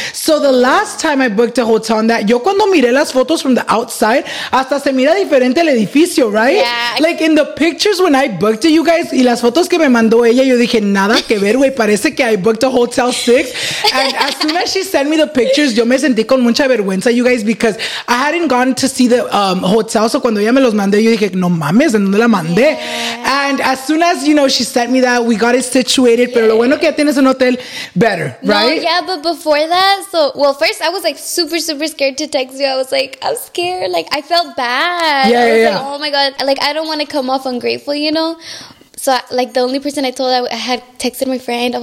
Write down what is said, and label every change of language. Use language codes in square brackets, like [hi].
[en] So the last time I booked a hotel on that, [es] yo cuando miré las fotos [en] from the outside, [es] hasta se mira diferente el edificio, [en] right? Yeah. Like in the pictures when I booked it, you guys, [es] y las fotos que me mandó ella, yo dije, nada que ver, güey, parece que [en] I booked a hotel 6. And as soon as she sent me the pictures, [es] yo me sentí con mucha vergüenza, [en] you guys, because I hadn't gone to see the hotel. [es] So cuando ella me los mandé, yo dije, no mames, ¿en dónde la mandé? [en] Yeah. And as soon as, you know, she sent me that, we got it situated. [es] Yeah. Pero lo bueno que ya tienes un hotel, [en] better, right? No, yeah, but before that, so, well, first I was like super, super scared to text you. I was like, I'm scared. Like, I felt bad. Yeah. Like, oh my God. Like, I don't want to come off ungrateful, you know? So, like, the only person I told, I had texted my friend.